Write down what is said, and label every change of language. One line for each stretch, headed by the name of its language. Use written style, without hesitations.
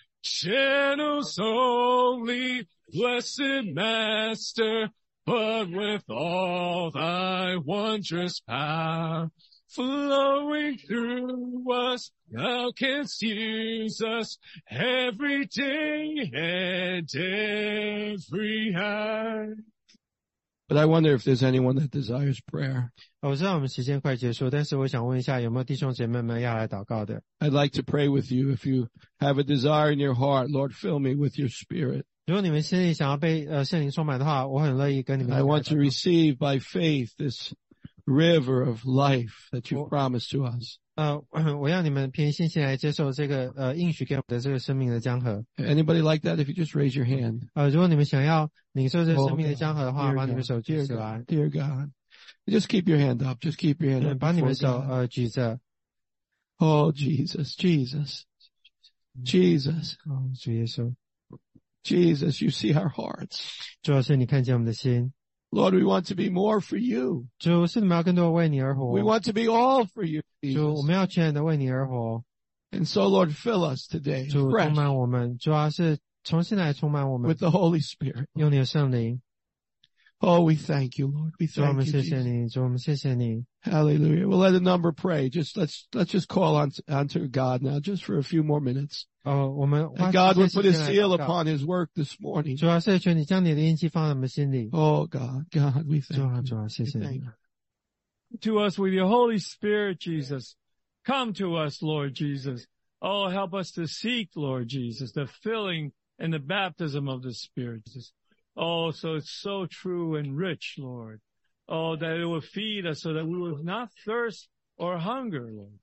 English: Channels only, blessed Master, but with all thy wondrous power flowing through us, thou canst use us every day and every hour. But I wonder if there's anyone that desires prayer.
Chinese: 哦, 我知道我们时间快结束，但是我想问一下，有没有弟兄姐妹们要来祷告的？
English: I'd like to pray with you if you have a desire in your heart. Lord, fill me with your spirit.
Chinese: 如果你们心里想要被圣灵充满的话，我很乐意跟你们来祷告。
English: I want to receive by faith this river of life that you promised to us.
Chinese: 我要你们凭信心来接受这个应许给我们的这个生命的江河。
English: Anybody like that? If you just raise your hand.
Chinese: 如果你们想要领受这个生命的江河的话， oh, okay. 把你们手举起来。
English: Dear God, just keep your hand up. Just keep your hand up.
Chinese: 把你们手举着。
English: Oh Jesus, Jesus, Jesus.
Chinese: 主耶稣。
English: Jesus, you see our hearts.
Chinese: 主耶稣，你看见我们的心。
English: Lord, we want to be more for you.
Chinese: 主，我们要更多为你而活。
English: We want to be all for you, Jesus.
Chinese: 主，我们要全然的为你而活。
English: And so, Lord, fill us today.
Chinese: 主，充满我们。主要是重新来充满我们。
English: With the Holy Spirit.
Chinese: 用你的圣灵。
English: Oh, we thank you, Lord. We thank you.
Chinese: 主，我们谢谢你。主，我们谢谢你。
English: Hallelujah. We'll let a number pray. Just let's just call onto God now, just for a few more minutes.
Chinese: 我们
English: and God will put a seal upon His work this morning.
Chinese: 主啊，谢谢你将你的印记放在我们心里。
English: Oh God, God, we thank you.
Chinese: 主啊，主啊，谢谢你。
English: To us with your Holy Spirit, Jesus, come to us, Lord Jesus. Oh, help us to seek, Lord Jesus, the filling and the baptism of the Spirit. Jesus. Oh, so it's so true and rich, Lord. Oh, that it will feed us so that we will not thirst or hunger, Lord.